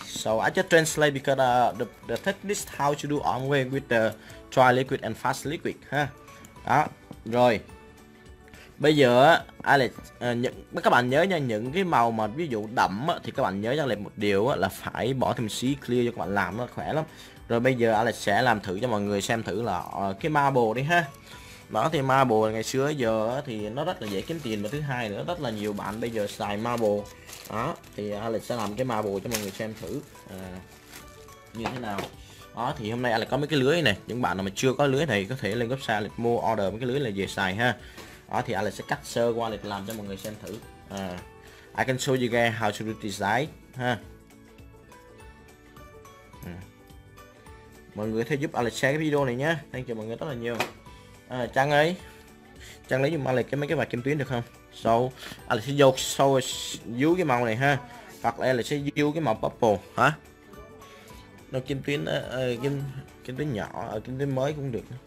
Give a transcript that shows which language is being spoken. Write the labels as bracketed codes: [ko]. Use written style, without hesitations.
[en] So I just translate because the technique how to do on way with the dry liquid and fast liquid. [vi] Ha, đó. Rồi. Bây giờ Alex, các bạn nhớ nha, những cái màu mà ví dụ đậm thì các bạn nhớ cho Alex một điều là phải bỏ thêm xí clear cho các bạn làm, nó khỏe lắm. Rồi bây giờ Alex sẽ làm thử cho mọi người xem thử là cái marble đi ha. Đó thì marble ngày xưa giờ thì nó rất là dễ kiếm tiền, và thứ hai nữa rất là nhiều bạn bây giờ xài marble. Đó thì Alex sẽ làm cái marble cho mọi người xem thử như thế nào. Đó thì hôm nay Alex có mấy cái lưới này, những bạn nào mà chưa có lưới này có thể lên website Alex mua order mấy cái lưới này về xài ha. Đó thì Alex sẽ cắt sơ qua Alex làm cho mọi người xem thử. [en] I can show you guys how to do this design ha. [vi] Mọi người có thể giúp Alex share cái video này nhé. Thank you mọi người rất là nhiều. À, Trang ấy, Trang lấy giùm Alex mấy cái vạch kim tuyến được không? Sau, so, Alex sẽ vô sâu dưới cái màu này ha. Hoặc là Alex sẽ dưới cái màu purple hả? Nó kim tuyến, kim tuyến nhỏ, kim tuyến mới cũng được.